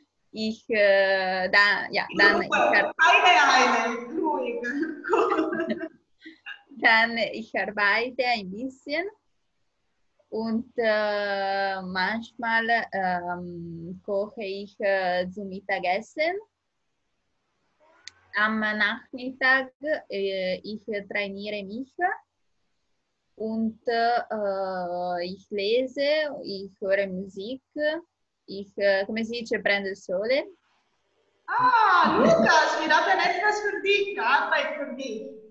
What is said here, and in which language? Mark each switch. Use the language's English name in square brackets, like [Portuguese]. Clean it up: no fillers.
[German] Ich dann ich arbeite ein bisschen und manchmal koche ich zum Mittagessen. Am Nachmittag ich trainiere mich und ich lese, ich höre Musik. Ich, [Italian] come si dice, prendo il sole. [German] Ah, Lukas, wir haben etwas für dich, Arbeit für dich.